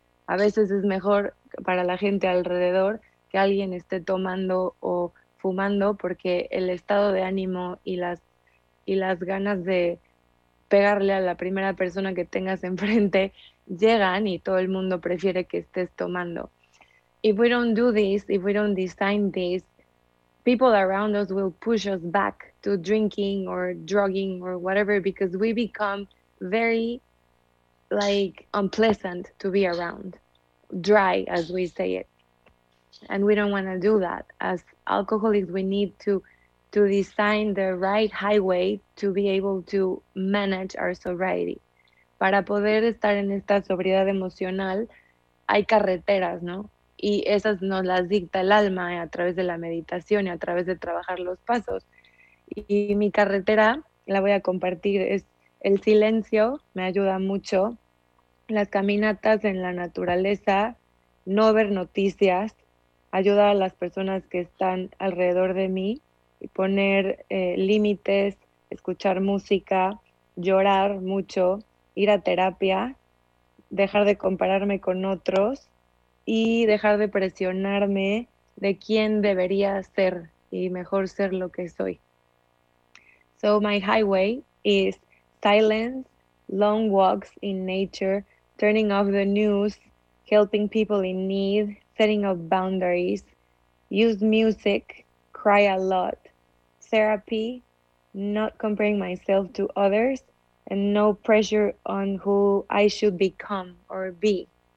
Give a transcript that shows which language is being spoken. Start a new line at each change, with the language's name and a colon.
Spanish: A veces es mejor para la gente alrededor que alguien esté tomando o fumando, porque el estado de ánimo y las ganas de pegarle a la primera persona que tengas enfrente llegan y todo el mundo prefiere que estés tomando.
English: If we don't do this, if we don't design this, people around us will push us back to drinking or drugging or whatever, because we become very, like, unpleasant to be around, dry, as we say it. And we don't want to do that. As alcoholics, we need to design the right highway to be able to manage our sobriety.
Spanish: Para poder estar en esta sobriedad emocional, hay carreteras, ¿no? Y esas nos las dicta el alma a través de la meditación y a través de trabajar los pasos. Y mi carretera, la voy a compartir, es el silencio, me ayuda mucho. Las caminatas en la naturaleza, no ver noticias, ayuda a las personas que están alrededor de mí. Y poner límites, escuchar música, llorar mucho, ir a terapia, dejar de compararme con otros. Y dejar de presionarme de quién debería ser y mejor ser lo que soy.
English: So my highway is silence, long walks in nature, turning off the news, helping people in need, setting up boundaries, use music, cry a lot, therapy, not comparing myself to others, and no pressure on who I should become or be.